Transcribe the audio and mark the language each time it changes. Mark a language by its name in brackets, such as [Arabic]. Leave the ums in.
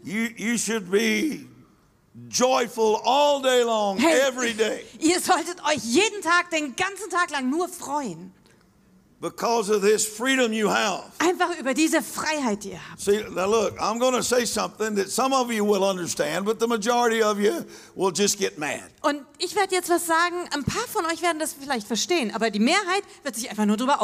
[English] You, you should be joyful all day long, hey, every day. [German] Ihr solltet euch jeden Tag, den ganzen Tag lang nur freuen. [English] Because of this freedom you have. [German] Einfach über diese Freiheit, die ihr habt. [English] See, now look, I'm going say something that some of you will understand, but the majority of you will just get mad. [German] Und ich werde jetzt was sagen. Ein paar von euch werden das vielleicht verstehen, aber die Mehrheit wird sich einfach nur darüber